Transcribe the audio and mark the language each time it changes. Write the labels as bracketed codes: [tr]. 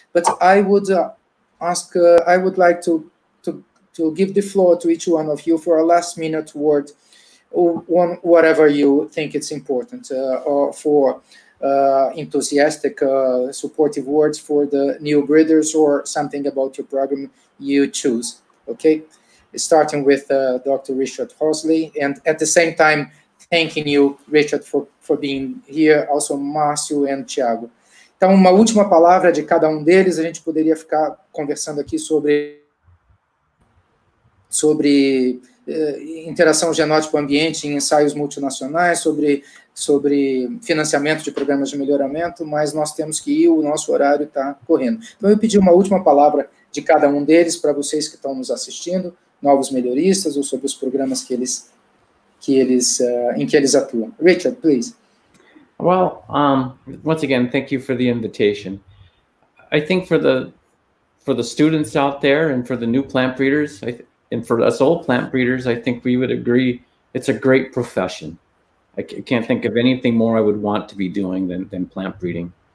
[en] But I would ask, I would like to give the floor to each one of you for a last minute word, one, whatever you think it's important, or for enthusiastic, supportive words for the new breeders, or something about your program you choose. Okay, starting with Dr. Richard Horsley, and at the same time, thanking you, Richard, for being here, also Márcio and Thiago. [pt] Então, uma última palavra de cada deles, a gente poderia ficar conversando aqui sobre interação genótipo-ambiente em ensaios multinacionais, sobre financiamento de programas de melhoramento, mas nós temos que ir, o nosso horário está correndo. Então, eu pedi uma última palavra de cada deles para vocês que estão nos assistindo, novos melhoristas, ou sobre os programas em que eles atuam. [en] Richard, please. Well, once again, thank you for the invitation. I think for the students out there and for the new plant breeders, and for us old plant breeders, I think we would agree it's a great profession. I can't think of anything more I would want to be doing than plant breeding.